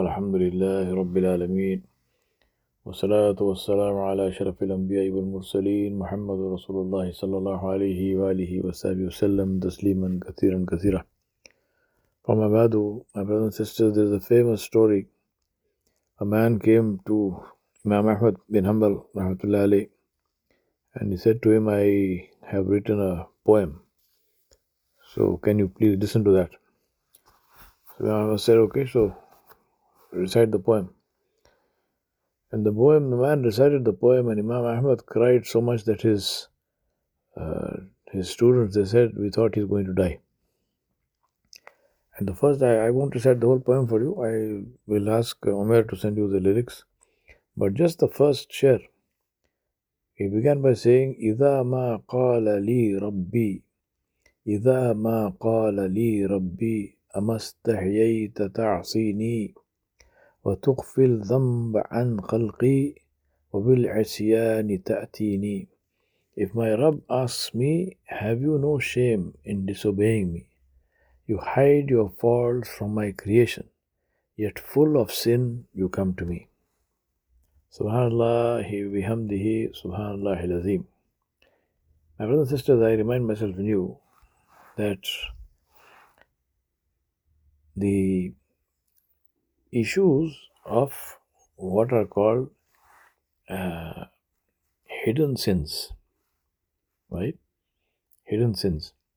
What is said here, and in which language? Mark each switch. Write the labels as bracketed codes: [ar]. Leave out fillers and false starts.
[ar] الحمد لله رب العالمين، والصلاة والسلام على أشرف الأنبياء والمرسلين محمد رسول الله صلى الله عليه وآله وصحبه وسلم تسليما كثيرا كثيرا. فما بعد، [en] my brothers and sisters, there is a famous story. A man came to Imam Ahmad bin Hanbal rahmatullah alayh, and he said to him, I have written a poem, so can you please listen to that? So Imam Ahmad said, okay, so recite the poem. And the man recited the poem, and Imam Ahmad cried so much that his students, they said, we thought he's going to die. And the first, I won't recite the whole poem for you. I will ask Umar to send you the lyrics. But just the first shayr, he began by saying, [ar] إِذَا مَا قَالَ لِي رَبِّي إِذَا مَا قَالَ لِي رَبِّي أمستحييت تعصيني وتخفي الذنب عن خلقي وبالعصيان تأتيني. [en] If my Rabb asks me, have you no shame in disobeying me? You hide your faults from my creation, yet full of sin you come to me. [ar] Subhanallah bihamdihi subhanallah al-azim. [en] My brothers and sisters, I remind myself anew that the issues of what are called hidden sins, right? Hidden sins.